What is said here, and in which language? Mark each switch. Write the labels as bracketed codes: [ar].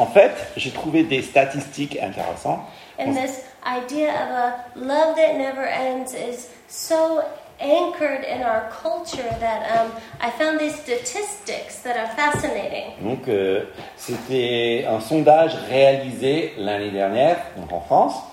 [fr] En fait, j'ai trouvé des statistiques intéressantes. [en] And this idea of a love that never ends is so anchored in our culture that I found these statistics that are fascinating. [fr] Donc, c'était un sondage réalisé l'année dernière, donc en France.